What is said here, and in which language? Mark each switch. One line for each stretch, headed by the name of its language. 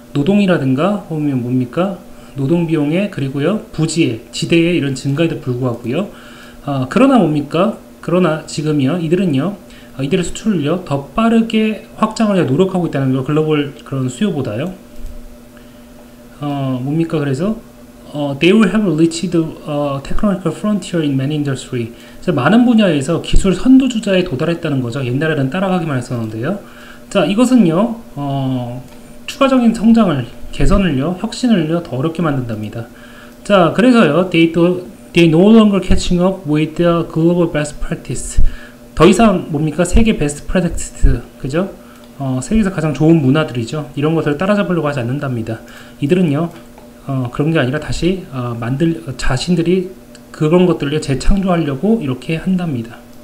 Korean: 노동이라든가, 보면 뭡니까? 노동비용에, 그리고요, 부지에, 지대에 이런 증가에도 불구하고요. 그러나 뭡니까? 그러나 지금이요, 이들은요, 이들의 수출을요, 더 빠르게 확장을 노력하고 있다는 거, 글로벌 그런 수요보다요. 뭡니까? 그래서,
English: they will have reached technological frontier in many industry.
Korean: 많은 분야에서 기술 선두주자에 도달했다는 거죠. 옛날에는 따라가기만 했었는데요. 자, 이것은요, 추가적인 성장을, 개선을요, 혁신을요, 더 어렵게 만든답니다. 자, 그래서요,
English: they no longer catching up with the global best practice.
Korean: 더 이상 뭡니까? 세계 베스트 프랙티스, 그죠? 세계에서 가장 좋은 문화들이죠. 이런 것을 따라잡으려고 하지 않는답니다. 이들은요, 그런 게 아니라 다시 자신들이 그런 것들을 재창조하려고 이렇게 한답니다.